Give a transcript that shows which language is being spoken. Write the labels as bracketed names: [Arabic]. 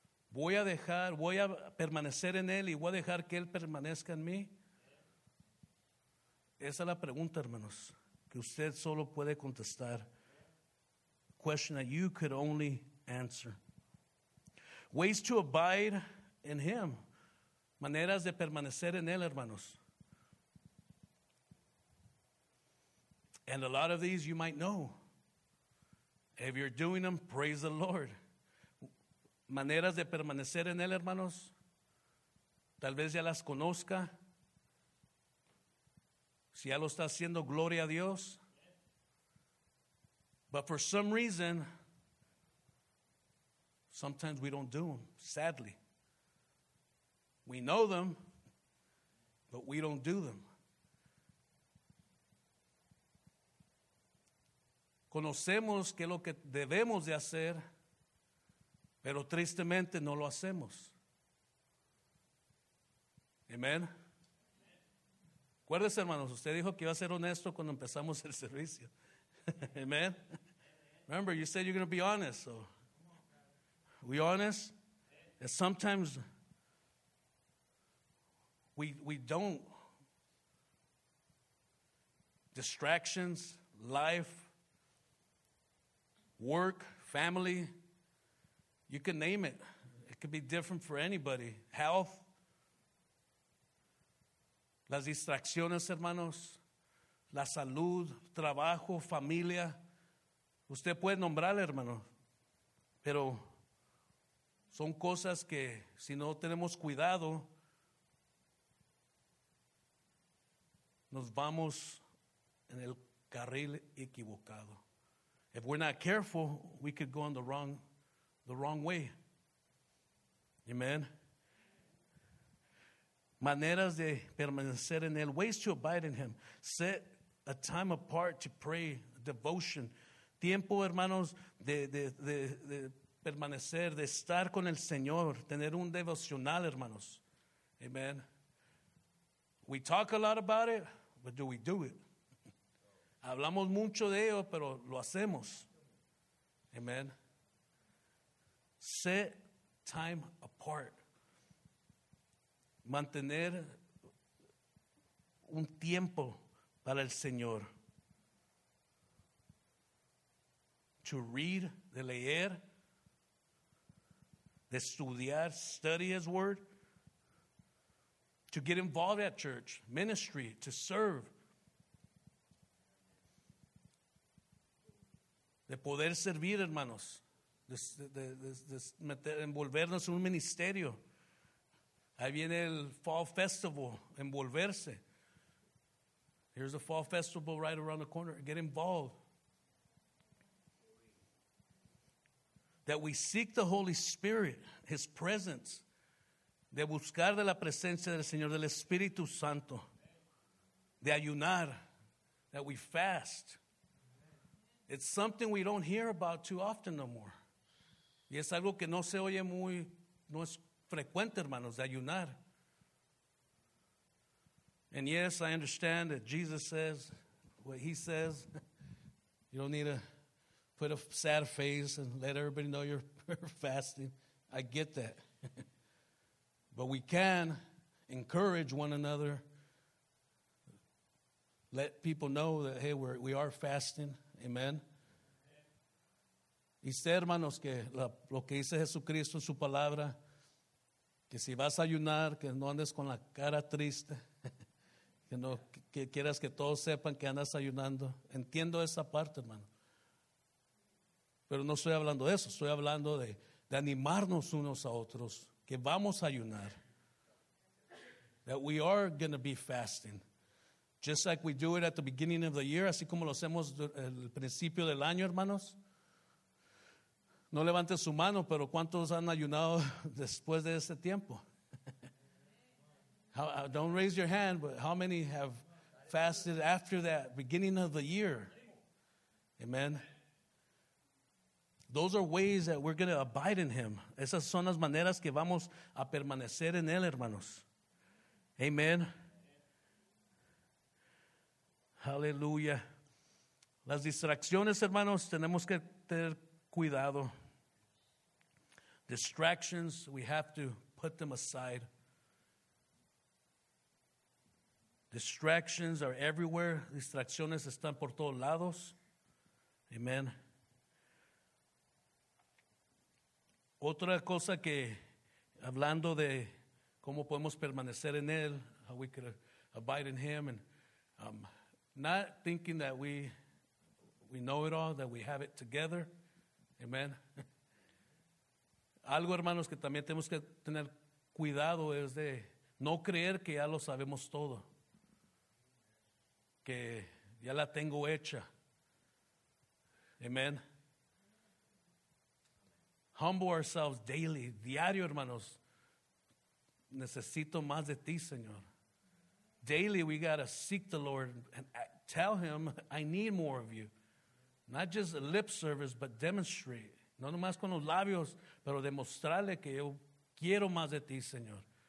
[Spanish] Voy a permanecer en Él y voy a dejar que Él permanezca en mí. Esa es la pregunta, hermanos, que usted solo puede contestar. [English] Question that you could only answer. Ways to abide in Him. [Spanish] Maneras de permanecer en Él, hermanos. [English] And a lot of these you might know. If you're doing them, praise the Lord. [Spanish] Maneras de permanecer en Él, hermanos. Tal vez ya las conozca. Si ya lo está haciendo, gloria a Dios. [English] But for some reason, sometimes we don't do them, sadly. We know them, but we don't do them. [Spanish] Conocemos qué es lo que debemos de hacer, pero tristemente no lo hacemos. Amen. Acuérdese, hermanos, usted dijo que iba a ser honesto cuando empezamos el servicio. Amen. [English] Remember, you said you're going to be honest. So, we honest? And sometimes we don't. Distractions, life, work, family, you can name it. It could be different for anybody. Health. [Spanish] Las distracciones, hermanos. La salud, trabajo, familia. Usted puede nombrarle, hermano, pero son cosas que si no tenemos cuidado, nos vamos en el carril equivocado. [English] If we're not careful, we could go on the wrong way. Amen. [Spanish] Maneras de permanecer en Él, [English] ways to abide in Him. Set a time apart to pray, devotion. [Spanish] Tiempo, hermanos, de permanecer, de estar con el Señor, tener un devocional, hermanos. Amen. [English] We talk a lot about it, but do we do it? [Spanish] Hablamos mucho de ello, pero lo hacemos. Amen. [English] Set time apart. [Spanish] Mantener un tiempo para el Señor. [English] To read, [Spanish] de leer, de estudiar, [English] study His word, to get involved at church, ministry, to serve, [Spanish] de poder servir, hermanos, de envolvernos en un ministerio. Ahí viene el Fall Festival, envolverse. [English] Here's the Fall Festival right around the corner. Get involved. That we seek the Holy Spirit, His presence. [Spanish] De buscar de la presencia del Señor, del Espíritu Santo. De ayunar. [English] That we fast. It's something we don't hear about too often no more. [Spanish] Y es algo que no se oye muy, no es frecuente, hermanos, de ayunar. [English] And yes, I understand that Jesus says what He says. You don't need to put a sad face and let everybody know you're fasting. I get that. But we can encourage one another let people know that, hey, we are fasting. Amen. [Spanish] Y sé, hermanos, que lo que dice Jesucristo en su palabra, que si vas a ayunar, que no andes con la cara triste, que no que quieras que todos sepan que andas ayunando. Entiendo esa parte, hermano. Pero no estoy hablando de eso, estoy hablando de animarnos unos a otros, que vamos a ayunar. [English] That we are going to be fasting. Just like we do it at the beginning of the year, [Spanish] así como lo hacemos el principio del año, hermanos. No levante su mano, pero ¿cuántos han ayunado después de ese tiempo? [English] Don't raise your hand, but how many have fasted after that beginning of the year? Amen. Those are ways that we're going to abide in Him. [Spanish] Esas son las maneras que vamos a permanecer en Él, hermanos. Amen. Hallelujah. Las distracciones, hermanos, tenemos que tener cuidado. [English] Distractions, we have to put them aside. Distractions are everywhere. [Spanish] Distracciones están por todos lados. Amen. Otra cosa que, hablando de cómo podemos permanecer en Él, [English] how we could abide in Him, and not thinking that we know it all, that we have it together. Amen. [Spanish] Algo, hermanos, que también tenemos que tener cuidado es de no creer que ya lo sabemos todo. Que ya la tengo hecha. Amen. [English] Humble ourselves daily, [Spanish] diario, hermanos. Necesito más de ti, Señor. [English] Daily, we got to seek the Lord and tell Him, I need more of you. Not just a lip service, but demonstrate. [Spanish] No nomás con los labios, pero demostrarle que yo quiero más de ti, Señor.